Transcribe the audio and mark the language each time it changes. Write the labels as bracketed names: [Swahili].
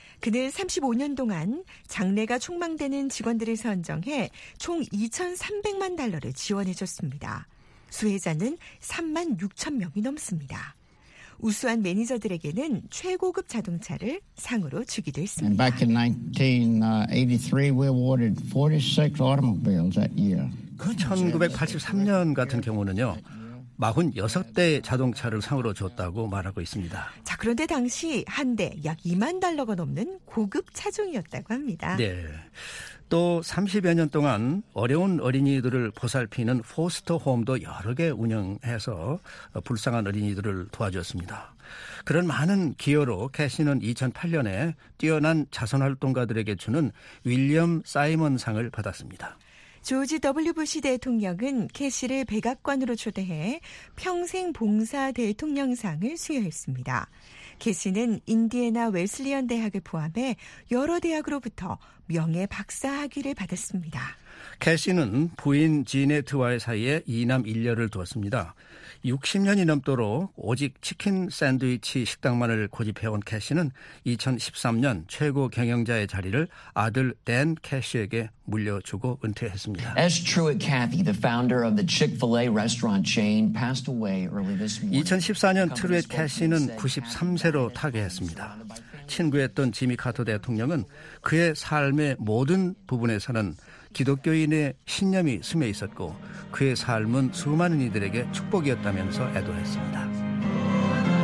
[Korean] 그는 35년 동안 장래가 촉망되는 직원들을 선정해 총 2,300만 달러를 지원해줬습니다. 수혜자는 3만 6천 명이 넘습니다. 우수한 매니저들에게는 최고급 자동차를 상으로 주기도 했습니다. [English] And back in 1983, we awarded 46 automobiles that year. [Korean] 그 1983년 같은 경우는요. 46대의 자동차를 상으로 줬다고 말하고 있습니다. 자, 그런데 당시 한 대 약 2만 달러가 넘는 고급 차종이었다고 합니다. 네. 또 30여 년 동안 어려운 어린이들을 보살피는 포스터 홈도 여러 개 운영해서 불쌍한 어린이들을 도와주었습니다. 그런 많은 기여로 캐시는 2008년에 뛰어난 자선활동가들에게 주는 윌리엄 사이먼 상을 받았습니다. 조지 W. 부시 대통령은 캐시를 백악관으로 초대해 평생 봉사 대통령상을 수여했습니다. 캐시는 인디애나 웨슬리언 대학을 포함해 여러 대학으로부터 명예 박사 학위를 받았습니다. 캐시는 부인 지네트와의 사이에 이남 일녀를 두었습니다. 60년이 넘도록 오직 치킨 샌드위치 식당만을 고집해온 캐시는 2013년 최고 경영자의 자리를 아들 댄 캐시에게 물려주고 은퇴했습니다. [English] As true at Cathy, the founder of the Chick-fil-A restaurant chain passed away early this morning. [Korean] 2014년 트루엣 캐시는 93세로 타계했습니다. 친구였던 지미 카터 대통령은 그의 삶의 모든 부분에서는 기독교인의 신념이 스며 있었고 그의 삶은 수많은 이들에게 축복이었다면서 애도했습니다.